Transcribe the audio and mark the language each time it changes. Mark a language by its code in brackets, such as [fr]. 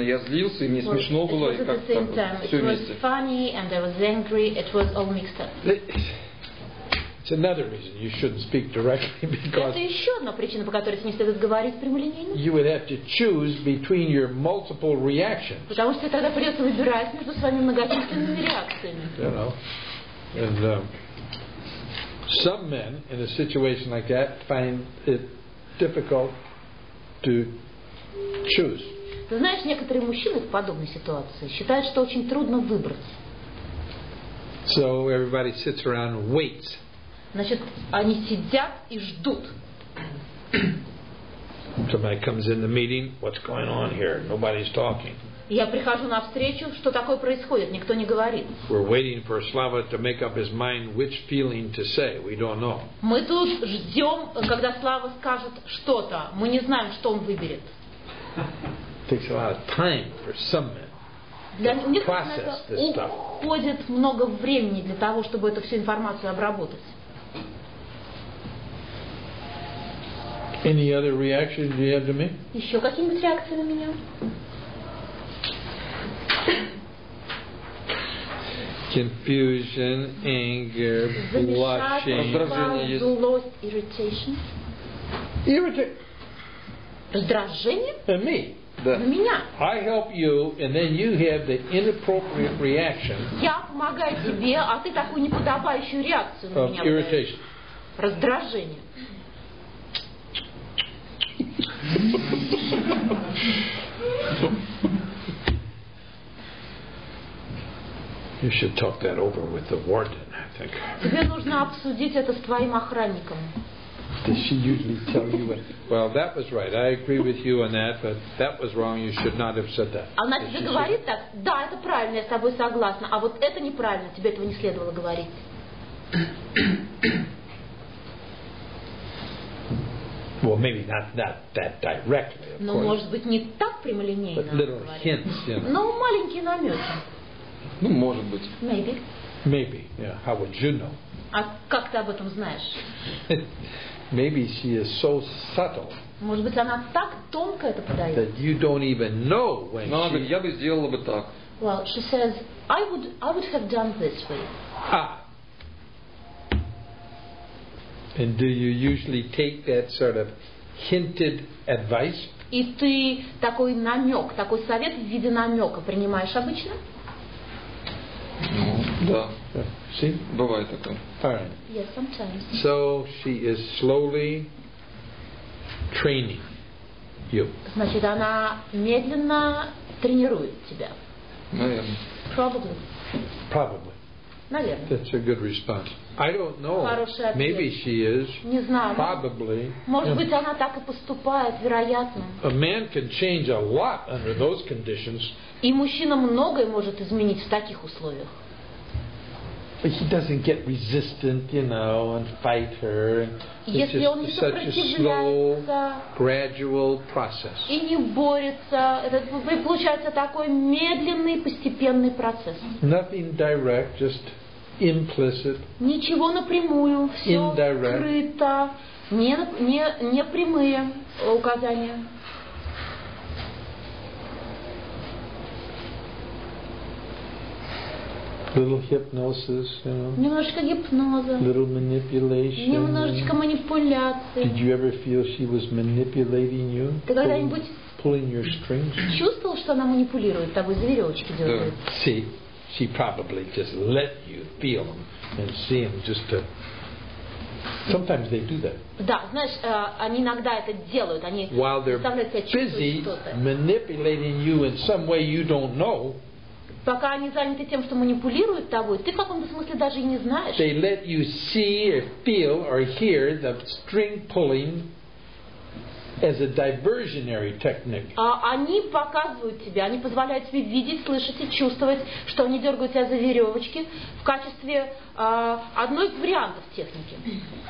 [ru] Я злился, и мне смешно было, и как-то все вместе. [en] It was funny, and I was angry. It was all mixed up. It's another reason you shouldn't speak directly because. [ru] Это еще одна причина, по которой тебе не следует говорить прямолинейно. [en] You would have to choose between your multiple reactions. [ru] Потому что тогда придется выбирать между своими многочисленными реакциями. [en] You know, and some men in a situation like that find it difficult to choose. [ru] Ты знаешь, некоторые мужчины в подобной ситуации считают, что очень трудно выбраться. [en] So everybody sits around and waits. [ru] Значит, они сидят и ждут. [en] Somebody comes in the meeting. What's going on here? Nobody's talking. [ru] Я прихожу на встречу, что такое происходит? Никто не говорит. [en] We're waiting for Slava to make up his mind which feeling to say. We don't know. [ru] Мы тут ждем, когда Слава скажет что-то. Мы не знаем, что он выберет. [en] It takes a lot of time for some men. [ru] Для них уходит много времени для того, чтобы эту всю информацию обработать. [en] Any other reaction do you have to me? [ru] Еще какие-нибудь реакции на меня? [en] Confusion, anger, blushing. [ru] Раздражение, злость, [en] irritation. [ru] Раздражение? [en] And me. I help you, and then you have the inappropriate reaction. [ru] Я помогаю тебе, а ты такую неподобающую реакцию на меня. [en] Irritation. [ru] Раздражение. [en] You should talk that over with the warden, I think. [ru] Тебе нужно обсудить это с твоим охранником. [en] Does she usually tell you what? Well, that was right. I agree with you on that, but that was wrong. You should not have said that. [ru] Она тебе говорит так? Да, это правильно, я с тобой согласна. А вот это неправильно, тебе этого не следовало говорить. [en] Well, maybe not that directly, of course. [ru] Но, может быть, не так прямолинейно. [en] But little hints, you know. [ru] Но маленькие намеки. Ну, может быть. [en] Maybe. Maybe, yeah. How would you know? [ru] А как ты об этом знаешь? [en] Maybe she is so subtle. [ru] Может быть, она так тонко это подает. [en] That you don't even know when she. [ru] Говорит, я бы сделала бы так. [en] Well, she says, I would have done this for you. Ah. And do you usually take that sort of hinted advice? [ru] И ты такой намек, такой совет в виде намека принимаешь обычно? Да. [en] See? [ru] Бывает такое. [en] All right. Yes, sometimes. So she is slowly training you. [ru] Значит, она медленно тренирует тебя. Наверное. [en] Probably. Probably. [ru] Наверное. [en] That's a good response. I don't know. [ru] Хороший ответ. [en] Maybe she is. [ru] Не знаю. [en] Probably. [ru] Может быть, она так и поступает, вероятно. [en] A man can change a lot under those conditions. [ru] И мужчина многое может изменить в таких условиях. [en] But he doesn't get resistant, you know, and fight her. It's [ru] если [en] just such a slow, gradual process. [ru] И не борется, это получается такой медленный, постепенный процесс. [en] Nothing direct, just implicit. [ru] Ничего напрямую, все [en] indirect. [ru] Открыто, не прямые указания. [en] Little hypnosis, you know. [ru] Немножечко гипноза. [en] Little manipulation. [ru] Немножечко манипуляции. [en] Did you ever feel she was manipulating you? [ru] Ты когда-нибудь [en] pulling your strings? [ru] Чувствовал, что она манипулирует тобой, за веревочки дергает? [en] Yeah. See, she probably just let you feel them and see them just to. Sometimes they do that. [ru] Да, знаешь, они иногда это делают. Они [en] while they're busy manipulating you in some way you don't know. [ru] Пока они заняты тем, что манипулируют тобой, ты в каком-то смысле даже и не знаешь. [en] They let you see or feel or hear the string pulling as a diversionary technique. [ru] А они показывают тебе, они позволяют тебе видеть, слышать и чувствовать, что они дергают тебя за веревочки в качестве одной из вариантов техники.